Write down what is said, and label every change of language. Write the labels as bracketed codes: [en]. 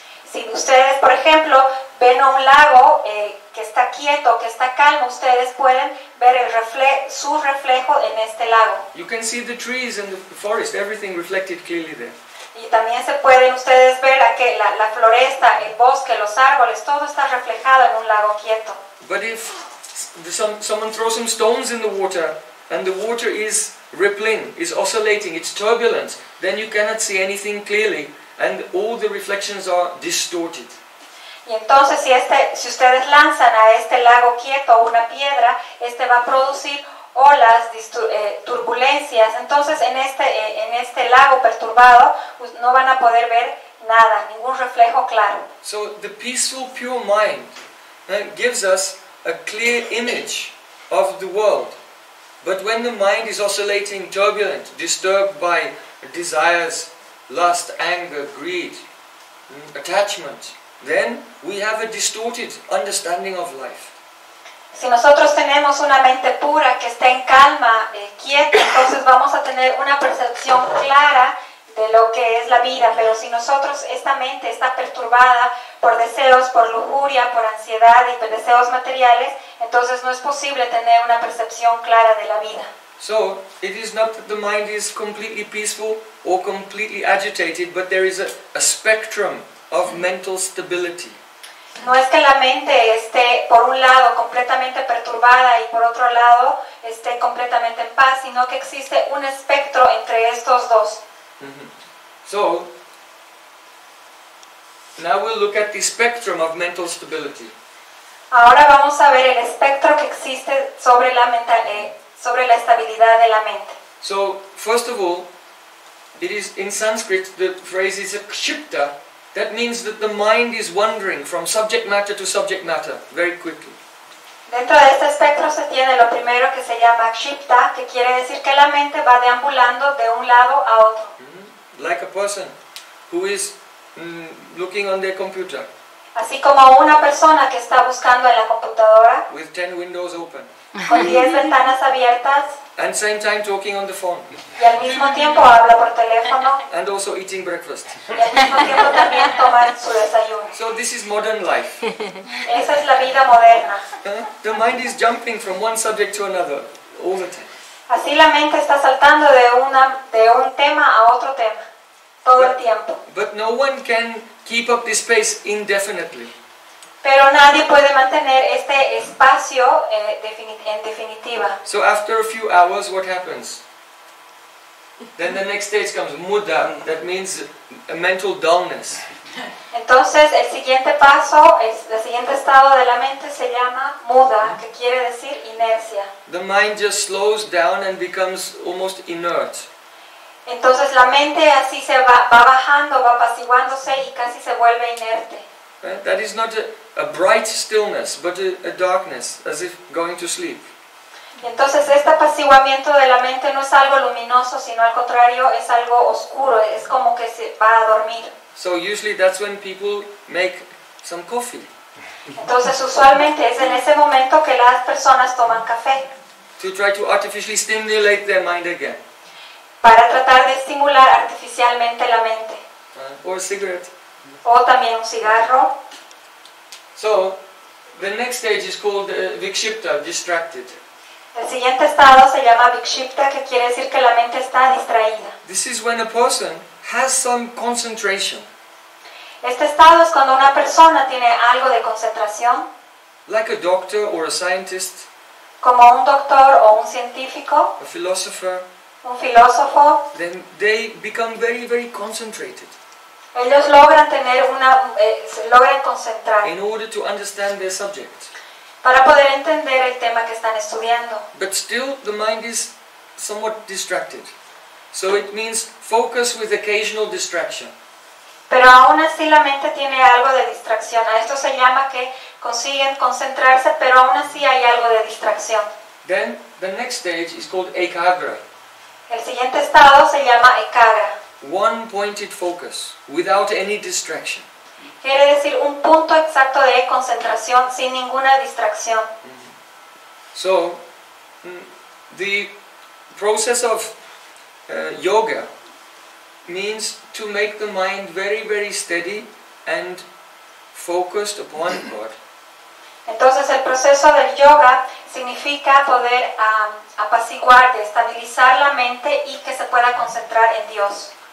[es] Si ustedes, por ejemplo, ven a un lago que está quieto, que está calmo, ustedes pueden ver su reflejo en este lago. [en] You can see the trees and the forest, everything reflected clearly there. [es] Y también se pueden ustedes ver aquí la floresta, el bosque, los árboles, todo está reflejado en un lago quieto. [en] But if someone throws some stones in the water and the water is rippling, is oscillating, it's turbulent, then you cannot see anything clearly and all the reflections are distorted. [es] Y entonces si ustedes lanzan a este lago quieto una piedra, este va a producir olas, turbulencias. Entonces en este lago perturbado no van a poder ver nada, ningún reflejo claro. [en] So the peaceful pure mind gives us a clear image of the world. But when the mind is oscillating, turbulent, disturbed by desires, lust, anger, greed, attachment, then we have a distorted understanding of life. [es] Si nosotros tenemos una mente pura que está en calma, quieta, entonces vamos a tener una percepción clara de lo que es la vida. Pero si nosotros, esta mente está perturbada por deseos, por lujuria, por ansiedad y por deseos materiales, entonces no es posible tener una percepción clara de la vida. [en] So, it is not that the mind is completely peaceful or completely agitated, but there is a spectrum of mental stability. [es] No es que la mente esté por un lado completamente perturbada y por otro lado esté completamente en paz, sino que existe un espectro entre estos dos. [en] So, now we'll look at the spectrum of mental stability. [es] Ahora vamos a ver el espectro que existe sobre la mental, sobre la estabilidad de la mente. [en] So, first of all, it is in Sanskrit the phrase is a kshipta, that means that the mind is wandering from subject matter to subject matter very quickly. [es] Dentro de este espectro se tiene lo primero que se llama kshipta, que quiere decir que la mente va deambulando de un lado a otro. [en] Like a person who is looking on their computer. [es] Así como una persona que está buscando en la computadora. [en] With 10 windows open. [es] Con 10 ventanas abiertas. [en] And same time talking on the phone. [es] Y al mismo tiempo habla por teléfono. [en] And also eating breakfast. [es] Y al mismo tiempo también toma su desayuno. [en] So this is modern life. [es] Esa es la vida moderna. [en] The mind is jumping from one subject to another all the time. [es] Así la mente está saltando de un tema a otro tema, todo el tiempo. [en] But no one can keep up this pace indefinitely. [es] Pero nadie puede mantener este espacio en definitiva. [en] So after a few hours, what happens? Then the next stage comes, muda, that means a mental dullness. [es] Entonces el siguiente paso, el siguiente estado de la mente se llama muda, que quiere decir inercia. [en] The mind just slows down and becomes almost inert. [es] Entonces la mente así se va bajando, va apaciguándose y casi se vuelve inerte. [en] That is not a bright stillness, but a darkness, as if going to sleep. [es] Entonces este apaciguamiento de la mente no es algo luminoso, sino al contrario, es algo oscuro, es como que se va a dormir. [en] So usually that's when people make some coffee. [es] Entonces usualmente es en ese momento que las personas toman café. [en] To try to artificially stimulate their mind again. [es] Para tratar de estimular artificialmente la mente. [en] Or a cigarette. [es] o también un cigarro. [en] So, the next stage is called Vikshipta, distracted. [es] El siguiente estado se llama Vikshipta, que quiere decir que la mente está distraída. [en] This is when a person has some concentration. [es] Este estado es cuando una persona tiene algo de concentración. [en] Like a doctor or a scientist. [es] Como un doctor o un científico. [en] A philosopher. [es] Un filósofo. [en] Then they become very, very concentrated. [es] Ellos logran tener una, logran concentrar. [en] In order to understand their subject. [es] Para poder entender el tema que están estudiando. [en] But still the mind is somewhat distracted. So it means focus with occasional distraction. [es] Pero aún así la mente tiene algo de distracción. A esto se llama que consiguen concentrarse, pero aún así hay algo de distracción. [en] Then the next stage is called ekagra. [es] El siguiente estado se llama ekagra. [en] One-pointed focus, without any distraction. [es] Quiere decir un punto exacto de concentración sin ninguna distracción. Mm-hmm. [en] So, the process of yoga means to make the mind very, very steady and focused upon God. [es] Entonces el proceso del yoga significa poder apaciguar, estabilizar la mente y que se pueda concentrar en Dios.